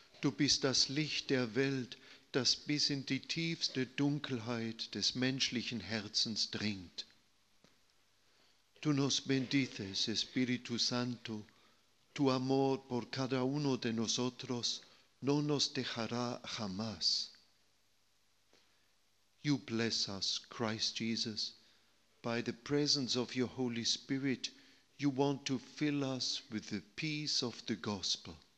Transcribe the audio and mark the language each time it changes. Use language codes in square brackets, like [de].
[de] Du bist das Licht der Welt, das bis in die tiefste Dunkelheit des menschlichen Herzens dringt. [es] Tu nos bendices, Espíritu Santo. Tu amor por cada uno de nosotros no nos dejará jamás. [en] You bless us, Christ Jesus. By the presence of your Holy Spirit, you want to fill us with the peace of the gospel.